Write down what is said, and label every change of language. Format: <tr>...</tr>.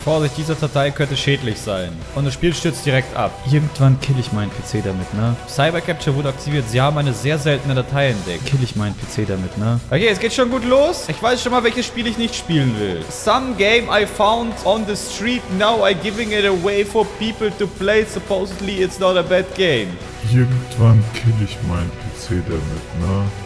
<de>Vorsicht, diese Datei könnte schädlich sein. Und das Spiel stürzt direkt ab. Irgendwann kill ich meinen PC damit, ne? Cybercapture wurde aktiviert. Sie haben eine sehr seltene Datei entdeckt. Kill ich meinen PC damit, ne? Okay, es geht schon gut los. Ich weiß schon mal, welches Spiel ich nicht spielen will.</de> <en>Some game I found on the street. Now I giving it away for people to play. Supposedly it's not a bad game.</en> <de>Irgendwann kill ich meinen PC damit, ne?</de>